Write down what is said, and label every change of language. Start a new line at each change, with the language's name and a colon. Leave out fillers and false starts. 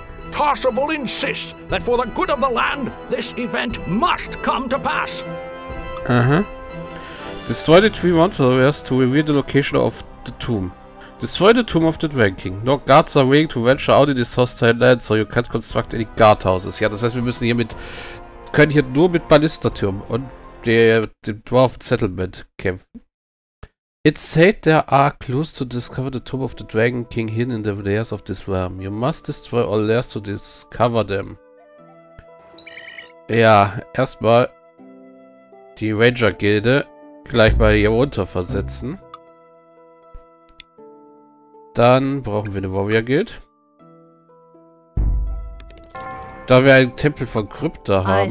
English: Tarsival insists that for the good of the land, this event must come to pass. Destroy the three monsters to reveal the location of the tomb. Destroy the tomb of the Dragon King. No guards are willing to venture out in this hostile land, so you can't construct any guardhouses.
German: Ja, das heißt, wir müssen hier mit. Können hier nur mit Ballistertürm und dem Dwarf Settlement kämpfen.
English: It said there are clues to discover the tomb of the Dragon King hidden in the layers of this realm. You must destroy all layers to discover them.
German: Ja, erstmal die Ranger-Gilde gleich mal hier runter versetzen. Dann brauchen wir eine Warrior-Guild. Da wir einen Tempel von Krypta haben.